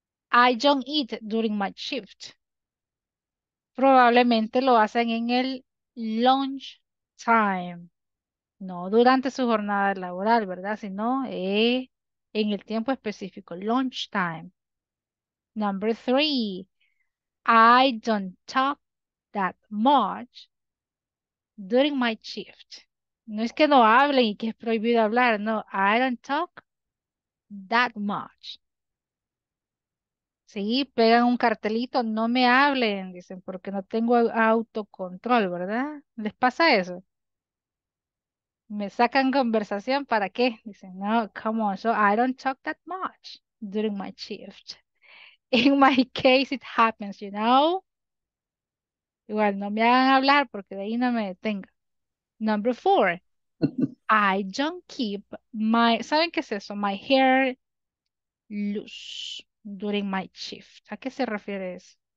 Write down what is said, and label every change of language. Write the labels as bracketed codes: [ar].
[en] I don't eat during my shift. [es] Probablemente lo hacen en el lunch time. No durante su jornada laboral, ¿verdad? Sino en el tiempo específico, lunch time. [en] Number three, I don't talk that much during my shift. [es] No es que no hablen y que es prohibido hablar, no. [en] I don't talk that much. [es] Sí, pegan un cartelito, no me hablen, dicen, porque no tengo autocontrol, ¿verdad? ¿Les pasa eso? ¿Me sacan conversación para qué? Dicen, no, [en] come on. So I don't talk that much during my shift. In my case, it happens, you know? [es] Igual, no me hagan hablar porque de ahí no me detengo. [en] Number four, I don't keep my, [es] ¿saben qué es eso? [en] My hair loose during my shift. [es] ¿A qué se refiere eso?